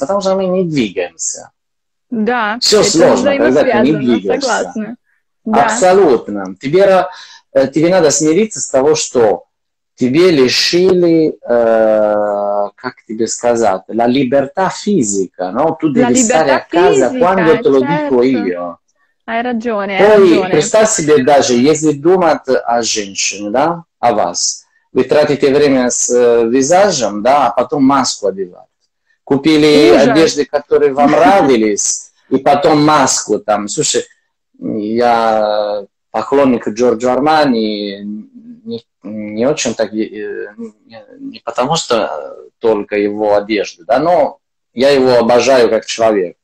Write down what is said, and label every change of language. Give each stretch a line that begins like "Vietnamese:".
Russian: Потому что мы не двигаемся. Да. Все сложно, когда ты не двигаешься. Согласна. Да. Абсолютно. Тебе надо смириться с того, что тебе лишили, как тебе сказать,
Italian: la libertà fisica, no? Tu devi stare a casa quando te lo dico io. Hai ragione,
Russian: Poi, представь себе даже, если думать о женщине, да, о вас, вы тратите время с визажем, да, а потом маску одевать. Купили одежды, которые вам нравились, и потом маску там. Слушай, я поклонник Джорджо Армани, не очень так, не потому что только его одежды, да, но я его обожаю как человек.